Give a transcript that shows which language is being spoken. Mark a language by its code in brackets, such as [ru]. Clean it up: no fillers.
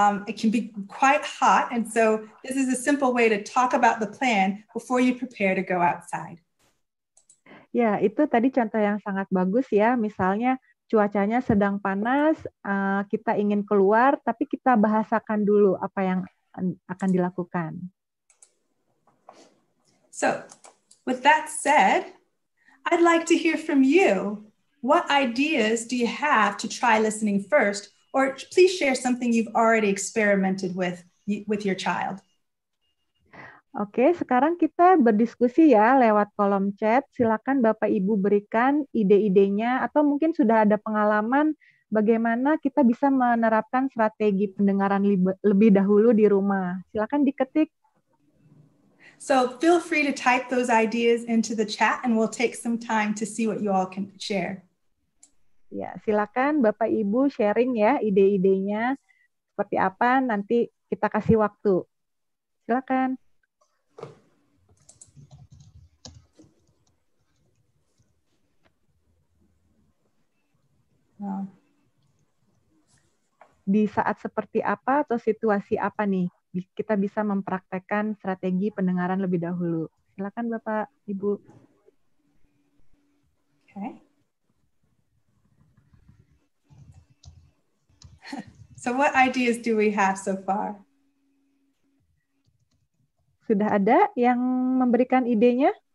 [en] It can be quite hot, and so this is a simple way to talk about the plan before you prepare to go outside. [id] Ya, itu tadi contoh yang sangat bagus ya. Misalnya cuacanya sedang panas, kita ingin keluar, tapi kita bahasakan dulu apa yang akan dilakukan. [en] So, with that said, I'd like to hear from you. What ideas do you have to try listening first? Or please share something you've already experimented with your child. [id] Oke, sekarang kita berdiskusi ya lewat kolom chat. Silakan Bapak Ibu berikan ide-idenya atau mungkin sudah ada pengalaman bagaimana kita bisa menerapkan strategi pendengaran lebih dahulu di rumah. Silakan diketik. [en] So feel free to type those ideas into the chat and we'll take some time to see what you all can share. [id] Ya, silakan Bapak Ibu sharing ya ide-idenya seperti apa, nanti kita kasih waktu. Silakan. Di saat seperti apa atau situasi apa nih kita bisa mempraktekkan strategi pendengaran lebih dahulu? Silakan Bapak Ibu. Oke. [en] So what ideas do we have so far? [id] Sudah ada yang memberikan idenya?